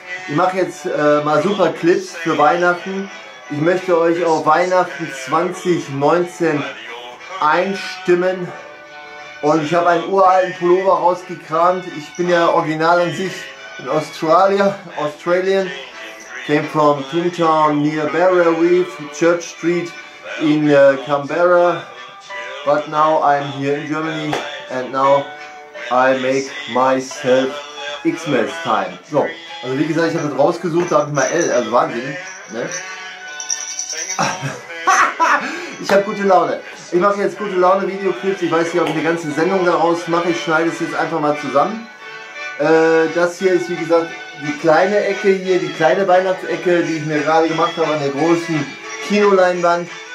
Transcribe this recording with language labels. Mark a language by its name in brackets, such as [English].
[German] Ich mache jetzt mal super Clips für Weihnachten. Ich möchte euch auch Weihnachten 2019 einstimmen. Und ich habe einen uralten Pullover rausgekramt. Ich bin ja original an sich in [English] Australia, Australian. Came from Toontown near Barra Reef, Church Street in Canberra. But now I'm here in Germany and now I make myself Xmas time. [German] So, also wie gesagt, ich habe das rausgesucht, da habe ich mal L, also Wahnsinn, ne? Ich habe gute Laune. Ich mache jetzt gute Laune Videoclips. Ich weiß nicht, ob ich eine ganze Sendung daraus mache. Ich schneide es jetzt einfach mal zusammen. Das hier ist, wie gesagt, die kleine Ecke hier, die kleine Weihnachtsecke, die ich mir gerade gemacht habe an der großen Kinoleinwand.